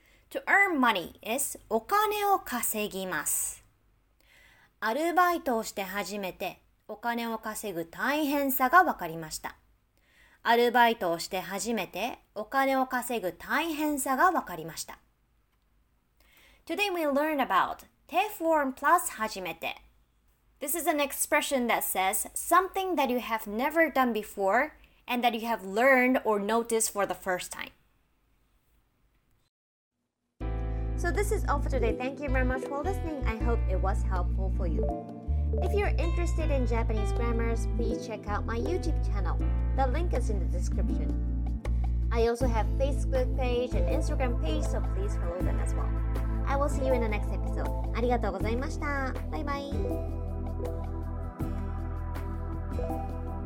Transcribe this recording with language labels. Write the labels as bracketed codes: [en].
[en] To earn money is [ja] お金を稼ぎます。アルバイトをして初めてお金を稼ぐ大変さが分かりました。アルバイトをして初めてお金を稼ぐ大変さが分かりました。 [en] Today we learn about te form plus 初めて。 This is an expression that says something that you have never done before and that you have learned or noticed for the first time. So this is all for today. Thank you very much for listening. I hope it was helpful for you. If you're interested in Japanese grammars, please check out my YouTube channel. The link is in the description. I also have Facebook page and Instagram page, so please follow them as well. I will see you in the next episode. [ja] ありがとうございました。バイバイ。